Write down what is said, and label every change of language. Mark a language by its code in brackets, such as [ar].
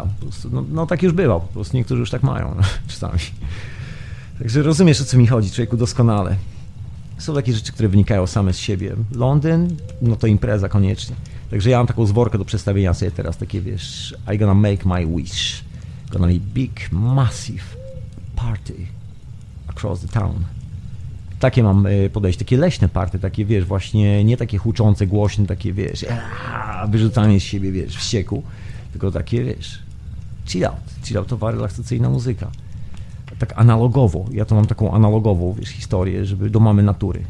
[pl] Po prostu, no tak już bywa, po prostu niektórzy już tak mają, no, czasami. Także rozumiesz, o co mi chodzi, człowieku, doskonale. Są takie rzeczy, które wynikają same z siebie. Londyn, no to impreza koniecznie. Także ja mam taką zworkę do przestawienia sobie teraz, takie, wiesz, [en] I gonna make my wish. Gonna be big, massive party across the town. [pl] Takie mam podejście, takie leśne party, takie, wiesz, właśnie nie takie huczące, głośne, takie, wiesz, wyrzucanie z siebie, wiesz, wścieku, tylko takie, wiesz, chill outowa, relaksacyjna muzyka. Tak analogowo, ja to mam taką analogową, wiesz, historię, żeby do mamy natury.